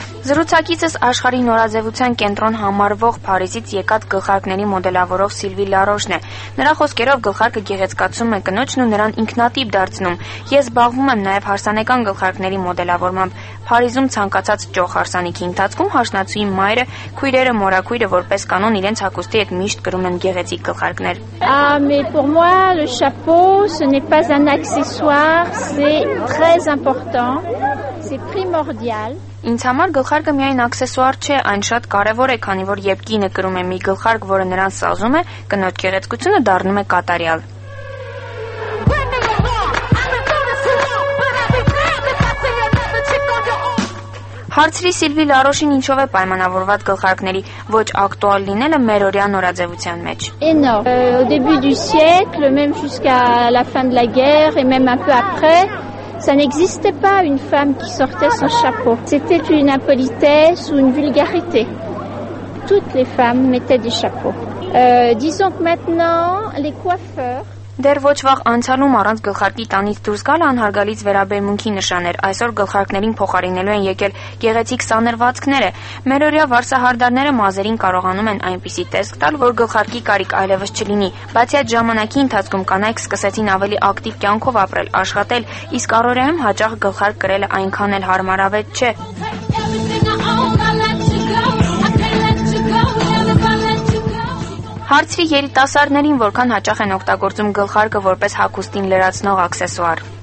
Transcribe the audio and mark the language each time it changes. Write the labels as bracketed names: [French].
[Armenian] Զրուցակիցս աշխարհի նորաձևության կենտրոն համարվող Փարիզից եկած գլխարկների մոդելավորող Սիլվի Լարոշն է։ Նրա խոսքերով գլխարկը գեղեցկացում է կնոջն ու նրան ինքնատիպ դարձնում։ Ես զբաղվում եմ նաև հարսանեկան գլխարկների մոդելավորմամբ։ Փարիզում ցանկացած ճոխ հարսանիքի ընթացքում հաշնացուի մայրը, քույրերը, մորաքույրը որպես կանոն իրենց հագուստի հետ միշտ կրում են գեղեցիկ գլխարկներ։ [French] Mais pour moi le chapeau ce n'est pas un accessoire, c'est très important. c'est primordial. [Armenian] Ինձ համար գլխարկը միայն աքսեսուար չէ, այն շատ կարևոր է, քանի որ երբ կինը կրում է մի գլխարկ, որը նրան սազում է, կնոջ գեղեցկությունը դառնում է կատարյալ։ Հարցրի Սիլվի Լարոշին, ինչով է պայմանավորված գլխարկների ոչ ակտուալ լինելը մեր օրյա նորաձևության մեջ։ [French] Ենո, au début du siècle, même jusqu'à la fin de la guerre et même un peu après, ça n'existait pas une femme qui sortait son chapeau. C'était une impolitesse ou une vulgarité. Toutes les femmes mettaient des chapeaux. Disons que maintenant, les coiffeurs [Armenian] Դեռ ոչ վաղ անցյալում առանց գլխարկի տանից դուրս գալը անհարգալից վերաբերմունքի նշան էր։ Այսօր գլխարկներին փոխարինելու են եկել գեղեցիկ սանրվածքները։ Մերօրյա վարսահարդարները մազերին կարողանում են այնպիսի տեսք տալ, որ գլխարկի կարիք այլևս չլինի։ Բացի այդ, ժամանակի ընթացքում կանայք սկսեցին ավելի ակտիվ կյանքով ապրել, աշխատել, իսկ առօրյայում հաճախ գլխարկ կրելը այնքան էլ հարմարավետ չէ։ Հարցրի երիտասարդներին, որքան հաճախ են օգտագործում գլխարկը որպես հագուստին լրացնող աքսեսուար։